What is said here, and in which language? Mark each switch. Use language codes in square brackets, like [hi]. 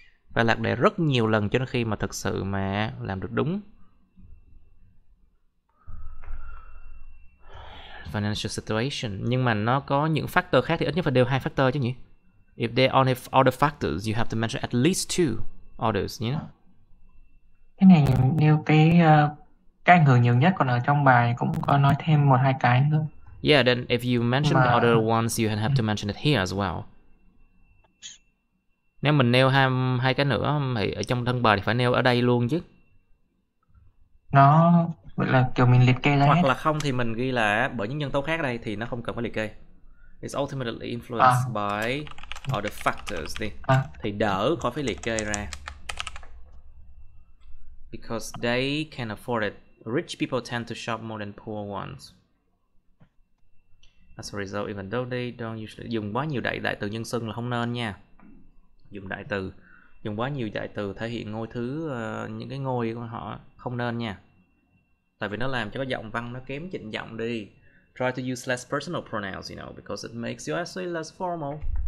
[vi] Và lạc đề rất nhiều lần cho đến khi mà thực sự mà làm được đúng. [en] Financial situation. [vi] Nhưng mà nó có những factor khác thì ít nhất phải đều hai factor chứ nhỉ? [en] If there are only other factors, you have to mention at least two others, you know? [vi] Cái này nêu cái ảnh hưởng nhiều nhất còn ở trong bài cũng có nói thêm một hai cái nữa. [en] Yeah, then if you mention the other ones, you have to mention it here as well. [vi] Nếu mình nêu hai cái nữa thì ở trong thân bài thì phải nêu ở đây luôn chứ. Nó là kiểu mình liệt kê ra. Hoặc hết. Là không thì mình ghi là bởi những nhân tố khác đây thì nó không cần phải liệt kê. [en] It's ultimately influenced by other factors đi. [vi] Thì đỡ khỏi phải liệt kê ra. [en] Because they can afford it. Rich people tend to shop more than poor ones. As a result, even though they don't usually [vi] dùng quá nhiều đại từ nhân xưng là không nên nha. Dùng quá nhiều đại từ thể hiện ngôi thứ những cái ngôi của họ không nên nha. Tại vì nó làm cho cái giọng văn nó kém chỉnh giọng đi. [en] Try to use less personal pronouns, you know, because it makes you actually less formal.